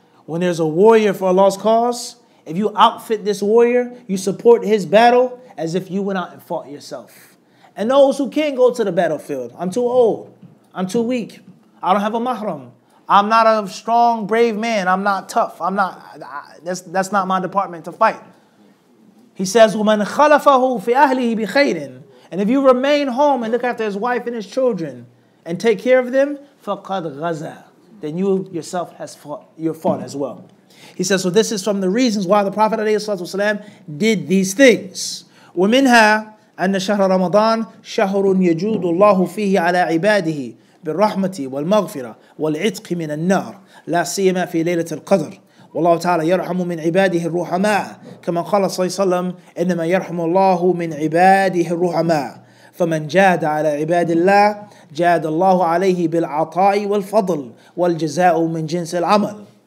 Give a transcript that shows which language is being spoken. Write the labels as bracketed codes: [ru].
[en] When there's a warrior for Allah's cause, if you outfit this warrior, you support his battle as if you went out and fought yourself. And those who can't go to the battlefield, I'm too old, I'm too weak, I don't have a mahram, I'm not a strong, brave man, I'm not tough, that's not my department to fight. [ar] He says, وَمَنْ خَلَفَهُ فِي أَهْلِهِ بِخَيْرٍ. [en] And if you remain home and look after his wife and his children and take care of them, [ar] فَقَدْ غَزَى. [en] Then you yourself has fought, you're fought as well. He says, so this is from the reasons why the Prophet ﷺ did these things. [ar] وَمِنْهَا أَنَّ شَهْرَ رَمَضَانَ شَهْرٌ يَجُودُ اللَّهُ فِيهِ عَلَىٰ عِبَادِهِ بِالرَّحْمَةِ وَالْمَغْفِرَةِ وَالْعِتْقِ مِنَ النَّارِ لَا سِيَمَا فِي لَيْلَةِ الْقَدْرِ والله تعالى يرحم من عباده الرحماء كما قال صلى الله عليه وسلم إنما يرحم الله من عباده الرحماء فمن جاد على عباد الله جاد الله عليه بالعطاء والفضل والجزاء من جنس العمل.